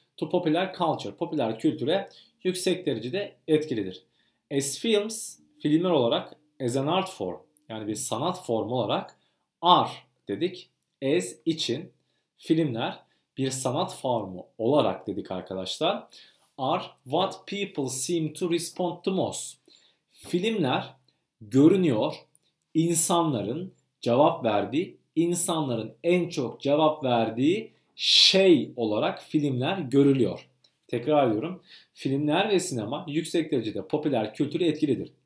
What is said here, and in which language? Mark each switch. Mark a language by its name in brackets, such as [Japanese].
[English] To popular culture, [Turkish] popüler kültüre yüksek derecede etkilidir. [English] As films, [Turkish] filmler olarak, [English] as an art form, [Turkish] yani bir sanat formu olarak are dedik. As için, filmler bir sanat formu olarak dedik arkadaşlar. [English] Are what people seem to respond to most. [Turkish] Filmler görünüyor insanların cevap verdiği, insanların en çok cevap verdiği şey olarak filmler görülüyor. Tekrar ediyorum. Filmler ve sinema yüksek derecede popüler kültürü etkilidir.